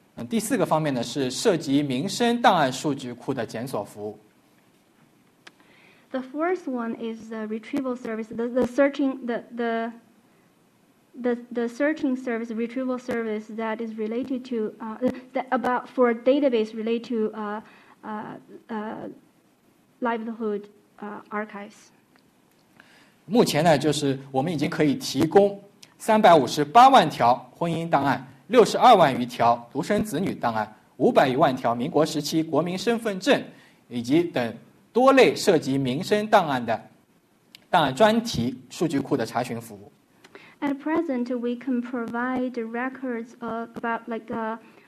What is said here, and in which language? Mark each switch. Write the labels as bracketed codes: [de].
[zh] 第四个方面呢，是涉及民生档案数据库的检索服务。 [en] The fourth one is the retrieval service, the searching service, retrieval service that is related to for a database related to livelihood archives. [zh] 目前呢，就是我们已经可以提供358万条婚姻档案，62万余条独生子女档案，500余万条民国时期国民身份证，以及等。多类涉及民生档案的档案专题数据库的查询服务。 [en] At present, we can provide records about like a